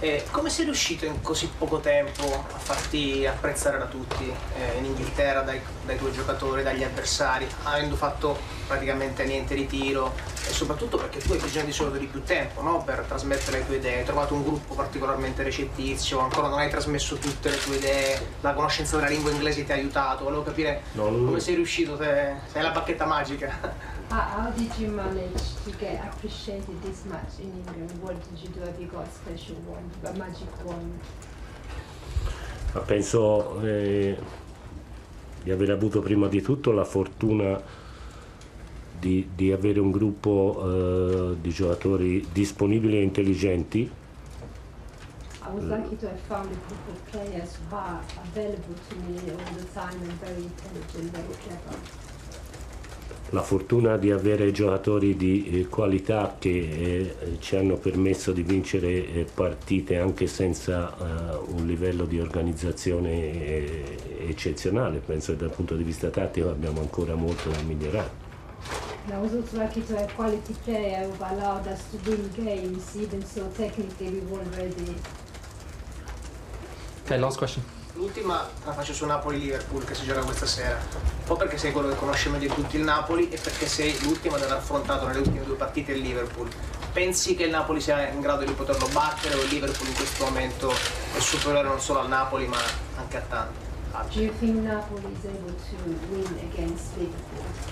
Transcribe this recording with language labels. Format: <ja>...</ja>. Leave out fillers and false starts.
<it>Come sei riuscito in così poco tempo a farti apprezzare da tutti in Inghilterra, dai tuoi giocatori, dagli avversari, avendo fatto praticamente niente di tiro e soprattutto perché tu hai bisogno di solo di più tempo, no? Per trasmettere le tue idee, hai trovato un gruppo particolarmente recettizio, ancora non hai trasmesso tutte le tue idee, la conoscenza della lingua inglese ti ha aiutato, volevo capire come sei riuscito, sei la bacchetta magica.</it> <en>How did you manage to get appreciated this much in England? What did you do? Have you got a special wand, a magic wand?</en> <it>Penso di aver avuto prima di tutto la fortuna di avere un gruppo di giocatori disponibili e intelligenti.</it> <en>I was lucky to have found a group of players who are available to me all the time and very intelligent, very clever.</en> <it>La fortuna di avere giocatori di qualità che ci hanno permesso di vincere partite anche senza un livello di organizzazione eccezionale. Penso che dal punto di vista tattico abbiamo ancora molto da migliorare.</it> <en>I was also lucky to have quality player who allowed us to win games, even so technically we were ready. Okay, last question.</en> <it>L'ultima la faccio su Napoli-Liverpool che si gioca questa sera, un po' perché sei quello che conosce meglio di tutti il Napoli e perché sei l'ultimo ad aver affrontato nelle ultime due partite il Liverpool. Pensi che il Napoli sia in grado di poterlo battere o il Liverpool in questo momento è superiore non solo al Napoli ma anche a tanti altri?</it> <en>Do you think Napoli is able to win against Liverpool?</en>